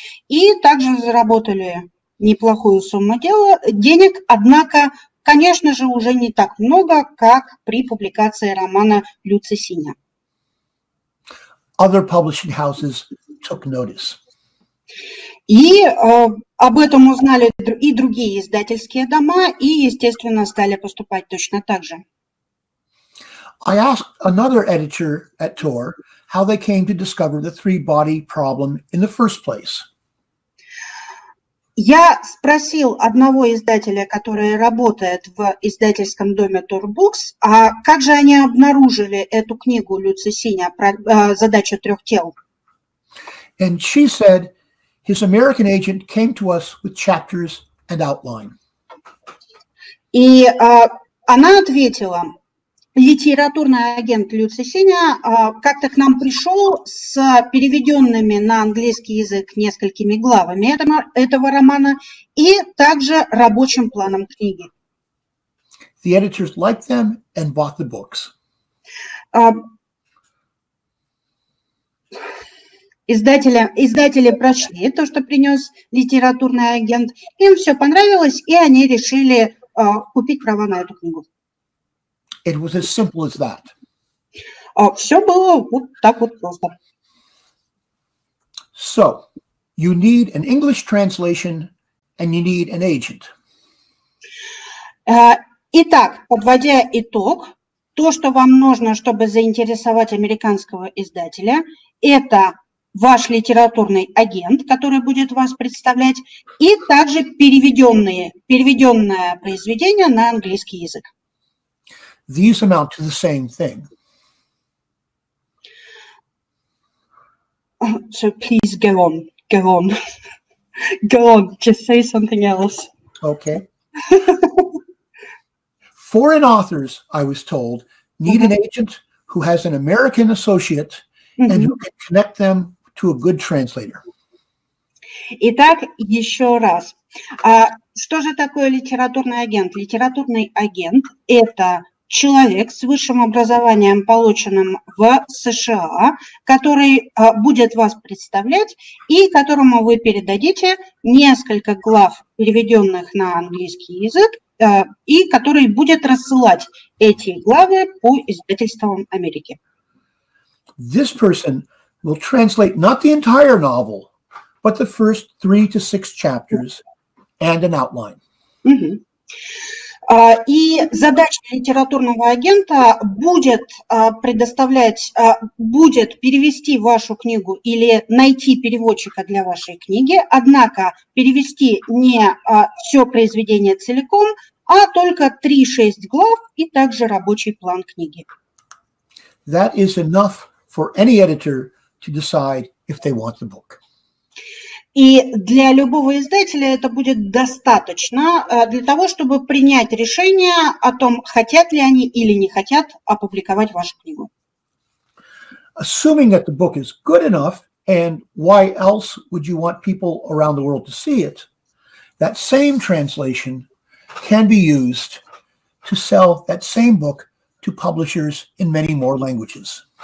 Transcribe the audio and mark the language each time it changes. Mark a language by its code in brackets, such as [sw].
[ru] И также заработали неплохую сумму денег, однако, конечно же, уже не так много, как при публикации романа Лю Цисиня. [en] Other publishing houses took notice. [ru] И об этом узнали и другие издательские дома, и, естественно, стали поступать точно так же. [en] I asked another editor at Tor how they came to discover the three-body problem in the first place. [ru] Я спросил одного издателя, который работает в издательском доме Tor Books, а как же они обнаружили эту книгу Лю Цисиня «Задача трех тел»? [en] And she said his American agent came to us with chapters and outline. [ru] И она ответила: литературный агент Лю Цисиня как-то к нам пришел с переведенными на английский язык несколькими главами этого романа и также рабочим планом книги. [en] The editors liked them and bought the books. [ru] Издатели прочли то, что принес литературный агент. Им все понравилось, и они решили купить права на эту книгу. [en] It was as simple as that. [ru] Все было вот так вот просто. [en] So, you need an English translation and you need an agent. [ru] Итак, подводя итог, то, что вам нужно, чтобы заинтересовать американского издателя, это ваш литературный агент, который будет вас представлять, и также переведенное произведение на английский язык. [en] These amount to the same thing. So please go on. Go on, just say something else. Okay. Foreign authors, I was told, need an agent who has an American associate and who can connect them to a good translator. [ru] Итак, еще раз. Что же такое литературный агент? Литературный агент – это человек с высшим образованием, полученным в США, который будет вас представлять и которому вы передадите несколько глав, переведенных на английский язык, и который будет рассылать эти главы по издательствам Америки. [en] This person will translate not the entire novel, but the first 3 to 6 chapters and an outline. [ru] И задача литературного агента будет будет перевести вашу книгу или найти переводчика для вашей книги, однако перевести не все произведение целиком, а только 3-6 глав и также рабочий план книги. [en] that is enough for any editor to decide if they want the book. [ru] И для любого издателя это будет достаточно для того, чтобы принять решение о том, хотят ли они или не хотят опубликовать вашу книгу. [en] Assuming that the book is good enough, and why else would you want people around the world to see it, that same translation can be used to sell that same book to publishers in many more languages.